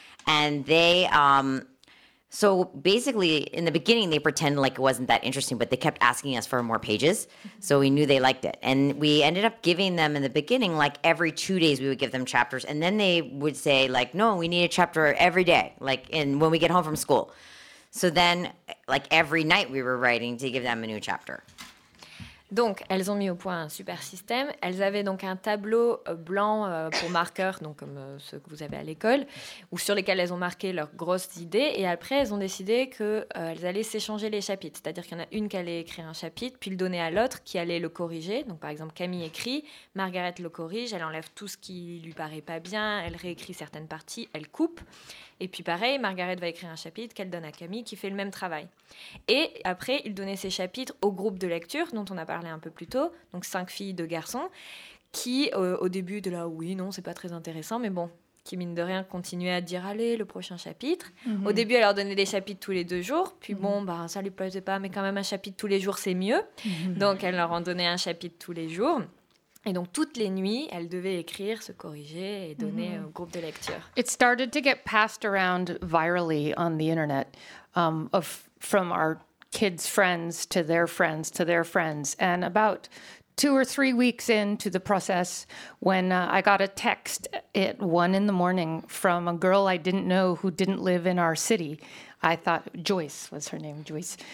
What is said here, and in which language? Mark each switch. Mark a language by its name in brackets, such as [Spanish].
[English] And they, so basically in the beginning, they pretended like it wasn't that interesting, but they kept asking us for more pages. So we knew they liked it. And we ended up giving them in the beginning, like every 2 days we would give them chapters. And then they would say like, no, we need a chapter every day. Like in when we get home from school. So then like every night we were writing to give them a new chapter. [French] Donc, elles ont mis au point un super système. Elles avaient donc un tableau blanc pour marqueurs, donc comme ceux que vous avez à l'école, ou sur lesquels elles ont marqué leurs grosses idées. Et après, elles ont décidé qu'elles allaient s'échanger les chapitres. C'est-à-dire qu'il y en a une qui allait écrire un chapitre, puis le donner à l'autre qui allait le corriger. Donc, par exemple, Camille écrit, Margaret le corrige, elle enlève tout ce qui lui paraît pas bien, elle réécrit certaines parties, elle coupe. Et puis pareil, Margaret va écrire un chapitre qu'elle donne à Camille qui fait le même travail. Et après, il donnait ses chapitres au groupe de lecture dont on a parlé un peu plus tôt, donc 5 filles, 2 garçons, qui au début de là, oui, non, c'est pas très intéressant, mais bon, qui mine de rien continuaient à dire, allez, le prochain chapitre. Mm-hmm. Au début, elle leur donnait des chapitres tous les 2 jours, puis mm-hmm. bon, ben, ça lui plaisait pas, mais quand même un chapitre tous les jours, c'est mieux. Mm-hmm. Donc elle leur en donnait un chapitre tous les jours. Et donc, toutes les nuits, elle devait écrire, se corriger et donner mm-hmm. au groupe de lecture. [English] It started to get passed around virally on the internet, from our kids' friends to their friends to their friends. And about 2 or 3 weeks into the process, when I got a text at 1 a.m. from a girl I didn't know who didn't live in our city, I thought, Joyce was her name, Joyce.